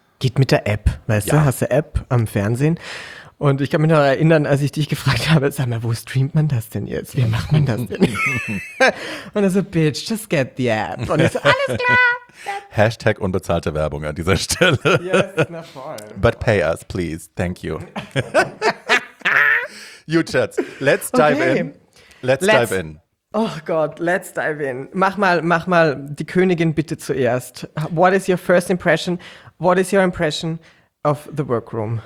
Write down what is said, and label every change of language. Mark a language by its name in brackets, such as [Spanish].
[German] Geht mit der App, weißt ja, du, hast du App am Fernsehen und ich kann mich noch erinnern, als ich dich gefragt habe, sag mal, wo streamt man das denn jetzt, wie macht man das denn? Und er so, [English] Bitch, just get the App. [German] Und ich so, alles klar. Hashtag unbezahlte Werbung an dieser Stelle. Yes, na voll. [English] But pay us, please, thank you. You chats, let's dive okay. in. Let's dive in. [German] Oh Gott, [English] let's dive in. [German] Mach mal die Königin bitte zuerst. [English] What is your first impression? What is your impression of the workroom?